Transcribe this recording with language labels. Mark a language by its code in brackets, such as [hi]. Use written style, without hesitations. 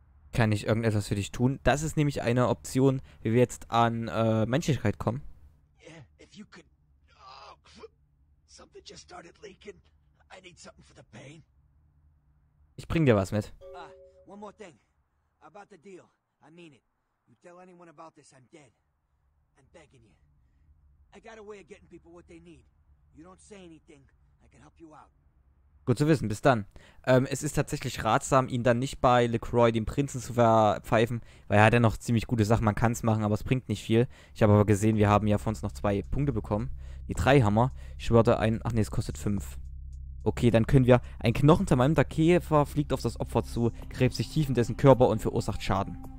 [de] Kann ich irgendetwas für dich tun? Das ist nämlich eine Option, wie wir jetzt an Menschlichkeit kommen. [en] Yeah, if you could. Oh, something just started leaking. I need something for the pain. [de] Ich bring dir was mit. [en] One more thing. About the deal. I mean it. You tell anyone about this, I'm dead. I'm begging you. I got a way of getting people what they need. You don't say anything, I can help you out. [de] Gut zu wissen, bis dann. Es ist tatsächlich ratsam, ihn dann nicht bei LeCroy, dem Prinzen, zu verpfeifen, weil er hat ja noch ziemlich gute Sachen, man kann es machen, aber es bringt nicht viel. Ich habe aber gesehen, wir haben ja von uns noch 2 Punkte bekommen. Die 3 Hammer. Ich würde einen. Ach nee, es kostet 5. Okay, dann können wir. Ein Knochen zermalmter Käfer fliegt auf das Opfer zu, gräbt sich tief in dessen Körper und verursacht Schaden.